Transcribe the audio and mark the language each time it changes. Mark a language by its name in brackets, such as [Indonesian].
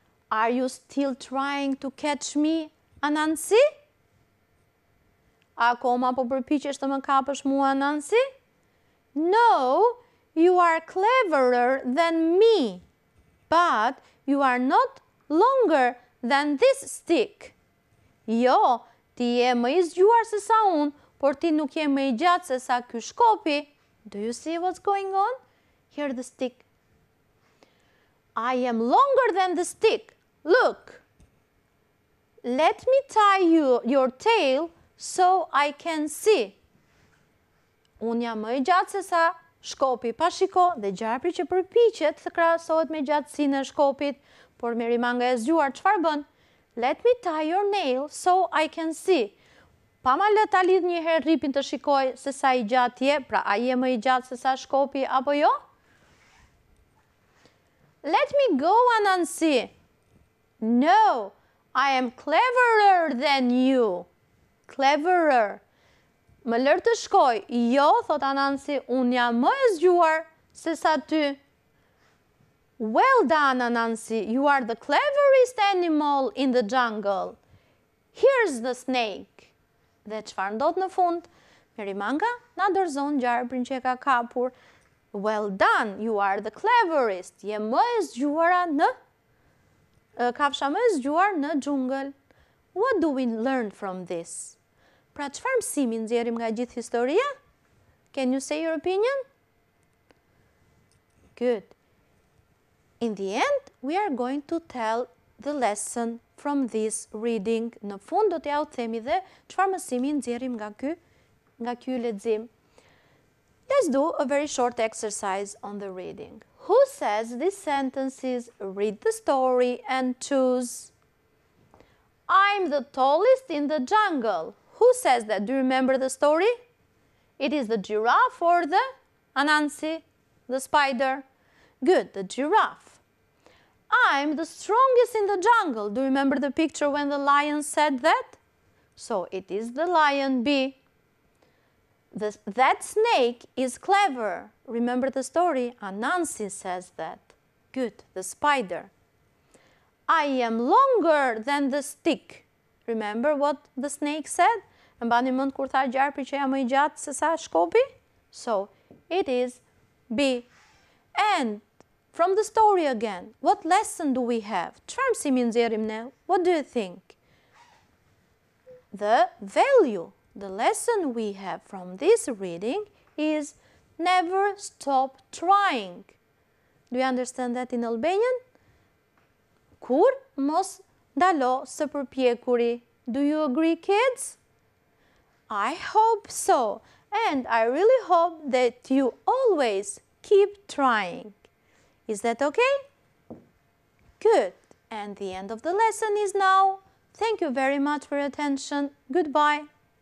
[English] Are you still trying to catch me, Anansi? [Albanian] Akoma po përpiqesh të më kapësh mua, Anansi? [English] No, you are cleverer than me, but you are not longer than this stick. [Albanian] Jo, ti je më I zgjuar se sa unë, por ti nuk je më I gjatë se sa ky shkopi. [English] Do you see what's going on? Here the stick. I am longer than the stick. Look. Let me tie you your tail so I can see. [Albanian] Unë jam më I gjatë se sa shkopi. Pa shiko dhe gjarpri që përpiqet të krahasohet me gjatësinë e shkopit. Por Mary Manga e zgjuar çfarë bën? [English] Let me tie your nail so I can see. [Albanian] Pa ma lë ta lidh një herë ripin të shikoj se sa I gjatë je, pra a je më I gjatë se sa shkopi apo jo? [English] Let me go, Anansi. No, I am cleverer than you. Cleverer. [Albanian] Më lërë të shkoj. Jo, thot Anansi, unë jam më e zgjuar se sa ty. [English] Well done, Anansi. You are the cleverest animal in the jungle. Here's the snake. [Albanian] Dhe çfarë ndodh në fund? Mary Manga na dorëzon gjarprin që ka kapur. [English] Well done, you are the cleverest. [Albanian] Je më e zgjuara në kafsha më e zgjuar në xhungël. [English] What do we learn from this? [Albanian] Pra çfarë mësimi nxjerrim nga gjithë historia? [English] Can you say your opinion? Good. In the end, we are going to tell the lesson from this reading. [Albanian] Në fund do t'ja u themi dhe çfarë mësimi nxjerrim nga ky lexim. [English] Let's do a very short exercise on the reading. Who says these sentences? Read the story and choose. I'm the tallest in the jungle. Who says that? Do you remember the story? It is the giraffe or the Anansi, the spider. Good, the giraffe. I'm the strongest in the jungle. Do you remember the picture when the lion said that? So it is the lion B. That snake is clever. Remember the story? Anansi says that. Good, the spider. I am longer than the stick. Remember what the snake said? [Albanian] Më bani mend kur tha gjarpi që jam më I gjatë se sa shkopi? [English] So, it is B. And from the story again, what lesson do we have? [Albanian] Çfarë mësimi nxjerrim ne? [English] What do you think? The value, the lesson we have from this reading is never stop trying. Do you understand that in Albanian? [Albanian] Kur mos ndalo së përpjekuri. [English] Do you agree, kids? I hope so. And I really hope that you always keep trying. Is that okay? Good. And the end of the lesson is now. Thank you very much for your attention. Goodbye.